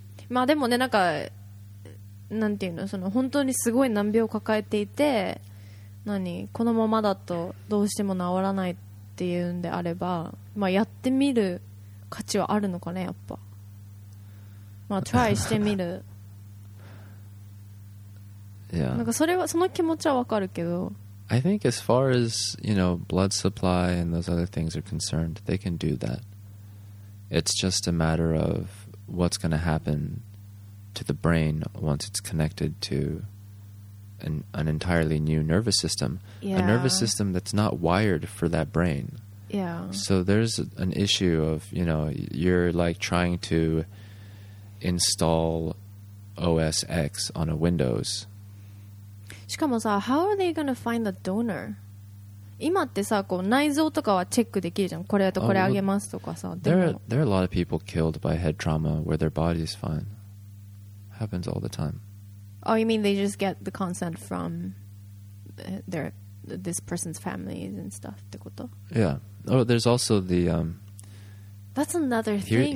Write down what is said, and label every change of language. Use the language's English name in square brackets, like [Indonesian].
[Japanese] まあでもねなんかなんていうのその本当にすごい難病を抱えていて何このままだとどうしても治らないていうんであれば、まあ、やってみる価値はあるのかね、やっぱ。まあ、try してみる。 [English] Yeah. [Japanese] なんかそれは、その気持ちはわかるけど。 [English] I think as far as, you know, blood supply and those other things are concerned, they can do that. It's just a matter of what's going to happen to the brain once it's connected to an entirely new nervous system. Yeah. A nervous system that's not wired for that brain. Yeah. So there's an issue of, you know, you're like trying to install OS X on a Windows. [Japanese] しかもさ、 [English] how are they gonna find the donor? [Japanese] 今ってさ、こう内臓とかはチェックできるじゃん。これとこれあげますとかさ。 [English] There are a lot of people killed by head trauma where their body is fine. Happens all the time. Oh, you mean they just get the consent from this person's families and stuff [Japanese] ってこと? [English] Yeah. Oh, there's also the... That's another thing,